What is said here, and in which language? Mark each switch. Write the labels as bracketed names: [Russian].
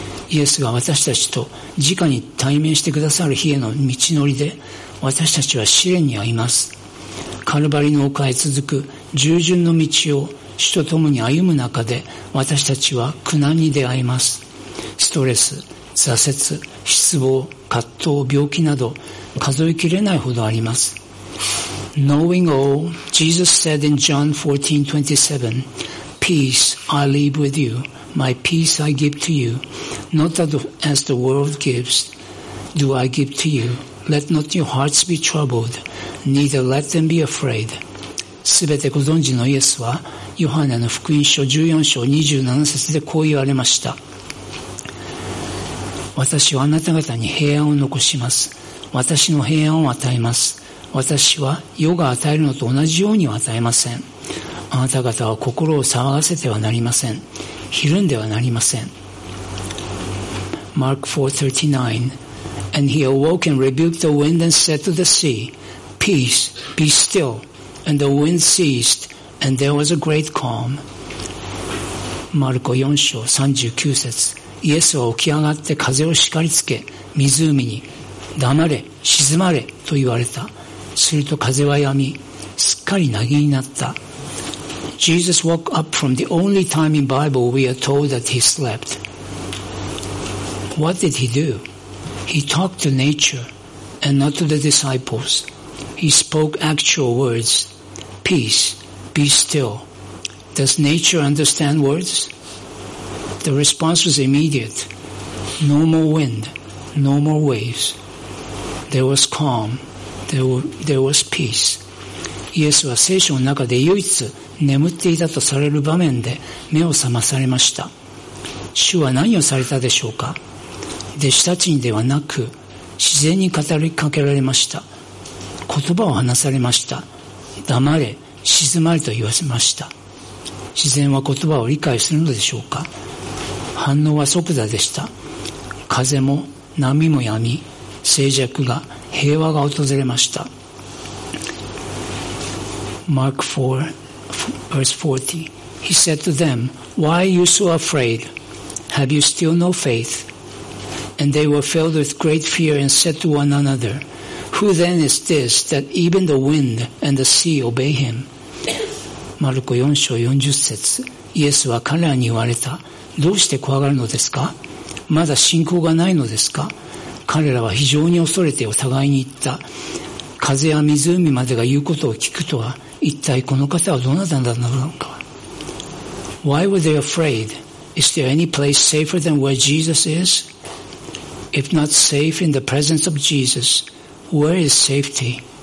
[Japanese] イエスが私たちと直に対面してくださる日への道のりで、私たちは試練に遭います。カルバリの丘へ続く従順の道を主と共に歩む中で、私たちは苦難に出会います。ストレス、挫折、失望、葛藤、病気など、数えきれないほどあります。 [English] Knowing all, Jesus said in John 14:27,Peace I leave with you, my peace I give to you. Not as the world gives, do I give to you. Let not your hearts be troubled, neither let them be afraid. [Japanese] すべてご存知のイエスは、ヨハネの福音書14章27節でこう言われました。私はあなた方に平安を残します。私の平安を与えます。私は世が与えるのと同じようには与えません。あなた方は心を騒がせてはなりません。ひるんではなりません。 [English] Mark 4:39, And he awoke and rebuked the wind and said to the sea, Peace, be still. And the wind ceased, and there was a great calm. [Japanese] Mark 4:39, イエスは起き上がって風を叱りつけ、湖に、黙れ、静まれ、と言われた。すると風はやみ、すっかり凪になった。 [English] Jesus woke up from the only time in Bible we are told that he slept. What did he do? He talked to nature and not to the disciples. He spoke actual words. Peace, be still. Does nature understand words? The response was immediate. No more wind, no more waves. There was calm. There was peace. [Japanese] イエスは聖書の中で唯一眠っていたとされる場面で目を覚まされました。主は何をされたでしょうか。弟子たちにではなく、自然に語りかけられました。言葉を話されました。黙れ、静まれと言わせました。自然は言葉を理解するのでしょうか。反応は即座でした。風も波もやみ、静寂が、平和が訪れました。 [English] Mark 4:40, he said to them, Why are you so afraid? Have you still no faith? And they were filled with great fear and said to one another, Who then is this that even the wind and the sea obey him? [Japanese] Mark 4:40, イエスは彼らに言われた。どうして怖がるのですか？まだ信仰がないのですか？彼らは非常に恐れてお互いに言った。風や湖までが言うことを聞くとは、一体この方はどなたなのか。 [English] Why were they afraid? Is there any place safer than where Jesus is? If not safe in the presence of Jesus, where is safety?